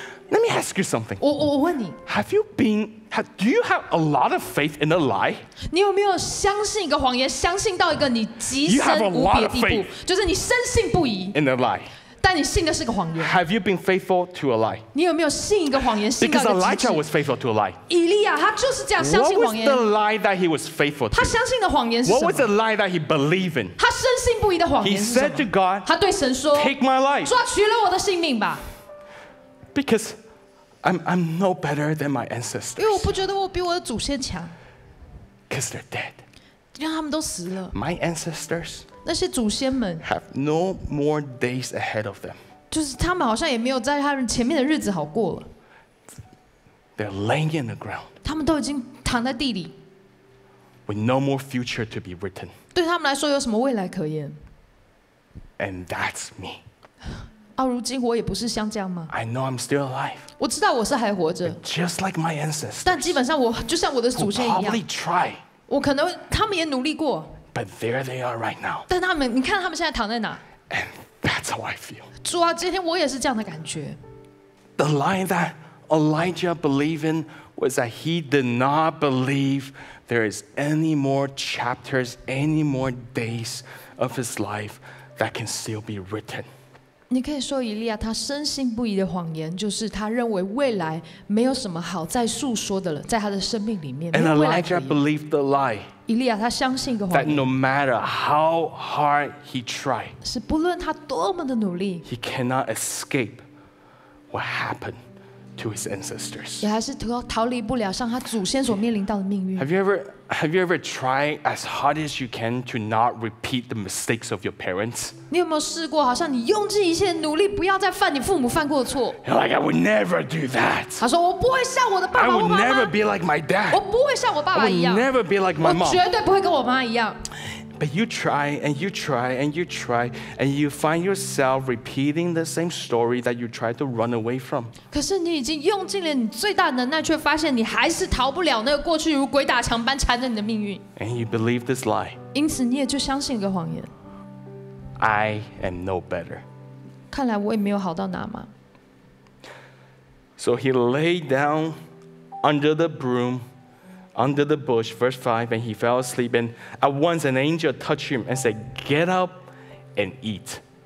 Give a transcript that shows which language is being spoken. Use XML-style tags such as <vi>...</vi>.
<en>Let me ask you something.</en> <zh>我问你</zh> <en>，Have you been? Do you have a lot of faith in a lie?</en> <zh>你有没有相信一个谎言，相信到一个你极深无比的地步，就是你深信不疑</zh> <en>？In a lie.</en> <zh>但你信的是个谎言。</zh> <en>Have you been faithful to a lie?</en> <zh>你有没有信一个谎言，信到一个极致</zh> <en>？Because Elijah was faithful to a lie.</en> <zh>以利亚他就是这样相信谎言。</zh> <en>What was the lie that he was faithful to?</en> <zh>他相信的谎言是什么</zh> <en>？What was the lie that he believed in?</en> <zh>他深信不疑的谎言是什么</zh> <en>？He said to God.</en> <zh>他对神说</zh> <en>，Take my life.</en> <zh>说取了我的性命吧。</zh> <en>Because I'm no better than my ancestors.</en> <zh>因为我不觉得我比我的祖先强。</zh> <en>Because they're dead.</en> <zh>因为他们都死了。</zh> <en>My ancestors.</en> <zh>那些祖先们。</zh> <en>Have no more days ahead of them.</en> <zh>就是他们好像也没有在他们前面的日子好过了。</zh> <en>They're laying in the ground.</en> <zh>他们都已经躺在地里。</zh> <en>With no more future to be written.</en> <zh>对他们来说有什么未来可言</zh> <en>？And that's me.</en> <zh>如今我也不是像这样吗</zh> <en>？I know I'm still alive.</en> <zh>我知道我是还活着。</zh> <en>Just like my ancestors.</en> <zh>但基本上我就像我的祖先一样。</zh> <en>Probably try.</en> <zh>我可能他们也努力过。</zh> <en>But there they are right now.</en> <zh>但他们，你看他们现在躺在哪</zh> <en>？And that's how I feel.</en> <zh>主啊，今天我也是这样的感觉。</zh> <en>The lie that Elijah believed in was that he did not believe there is any more chapters, any more days of his life that can still be written.</en> <zh>你可以说以利亚他深信不疑的谎言，就是他认为未来没有什么好再述说的了，在他的生命里面。</zh> <en>And Elijah believed the lie.</en> <zh>以利亚他相信一个谎言。</zh> <en>That no matter how hard he tried,</en> <zh>是不论他多么的努力</zh> <en>，he cannot escape what happened to his ancestors.</en> <zh>也还是逃离不了像他祖先所面临到的命运。</zh> <en>Have you ever tried as hard as you can to not repeat the mistakes of your parents?</en> <zh>你有没有试过，好像你用尽一切努力，不要再犯你父母犯过的错</zh> <en>？Like I would never do that.</en> <zh>他说我不会像我的爸爸妈妈。</zh> <en>I would never be like my dad.</en> <zh>我不会像我爸爸一样。</zh> <en>I would never be like my mom.</en> <zh>我绝对不会跟我妈一样。</zh> <en>But you try and you try and you try and you find yourself repeating the same story that you tried to run away from.</en> <zh>可是你已经用尽了你最大能耐，却发现你还是逃不了那个过去如鬼打墙般缠着你的命运。</zh> <en>And you believe this lie.</en> <zh>因此你也就相信一个谎言。</zh> <en>I am no better.</en> <zh>看来我也没有好到哪嘛。</zh> <en>So he lay down under the broom. Under the bush, verse 5, and he fell asleep. And at once an angel touched him and said, Get up and eat.</en>